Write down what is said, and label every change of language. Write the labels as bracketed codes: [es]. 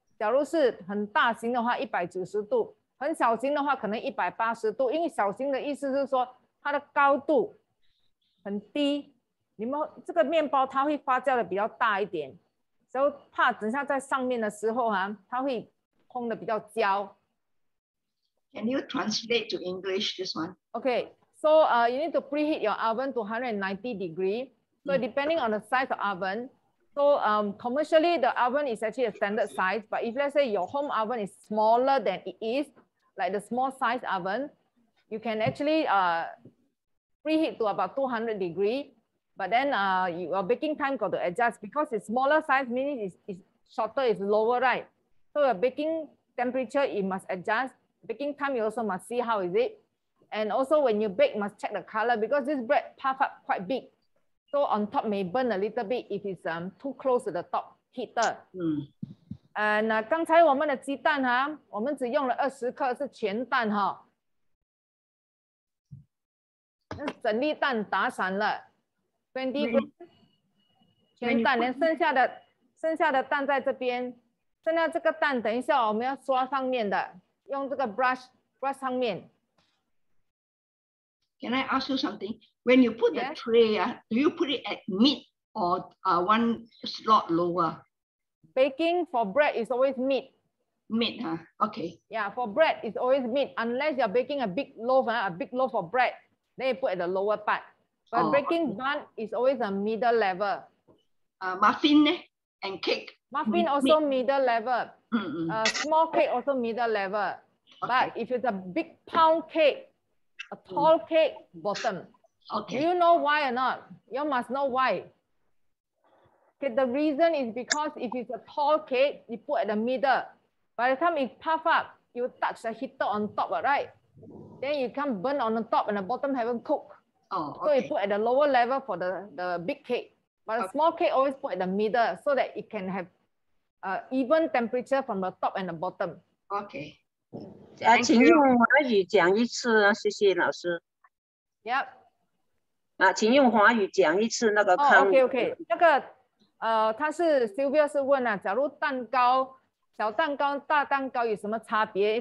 [zh] 假如是很大型的话190度，很小型的话可能180度，因为小型的意思是说它的高度很低，你们这个面包它会发酵的比较大一点，所以怕等下在上面的时候它会烘的比较焦。 [en] Can you translate to English this one? Okay, so you need to preheat your oven to 190 degrees. So depending on the size of ovenSo commercially, the oven is actually a standard size. But if let's say your home oven is smaller than it is, like the small size oven, you can actually preheat to about 200 degrees. But then your baking time got to adjust because it's smaller size, meaning it's shorter, it's lower, right? So your baking temperature, it must adjust. Baking time, you also must see how is it. And also when you bake, must check the color because this bread puff up quite big. So on top may burn a little bit if it's too close to the top heater. [zh] 那刚才我们的鸡蛋哈，我们只用了20克是全蛋哈，那整粒蛋打散了 [en] 20 grams [zh] 全蛋，连剩下的蛋在这边，剩下这个蛋等一下我们要刷上面的，用这个 brush 上面。 [en] Can I ask you something? When you put the tray, do you put it at mid or one slot lower? Baking for bread is always mid. Mid, huh? Okay. Yeah, for bread is always mid. Unless you're baking a big loaf of bread, then you put at the lower part. But baking bun is always a middle level. Muffin and cake. Muffin also middle level. Small cake also middle level. Okay. But if it's a big pound cake,A tall cake bottom. Okay. Do you know why or not? You must know why. Okay, the reason is because if it's a tall cake, you put at the middle. By the time it puff up, you touch the heater on top, right? Then you can burn on the top and the bottom haven't cooked. Oh, okay. So you put at the lower level for the big cake. But a small cake always put at the middle so that it can have even temperature from the top and the bottom. Okay. [zh] 请用华语讲一次啊，谢谢老师。 [en] Yep. [zh] 啊，请用华语讲一次那个康。 [en] Oh, OK， [zh] 那个他是 Sylvia 是问啊，假如蛋糕小蛋糕、大蛋糕有什么差别？